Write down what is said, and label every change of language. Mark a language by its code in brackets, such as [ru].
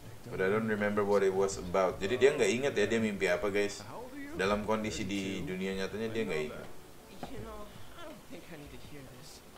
[en] But I don't remember what it was about. [id] Jadi dia enggak ingat ya dia mimpi apa, guys. Dalam kondisi di dunia nyatanya dia enggak ingat. [en] You know, I don't think I need to hear this.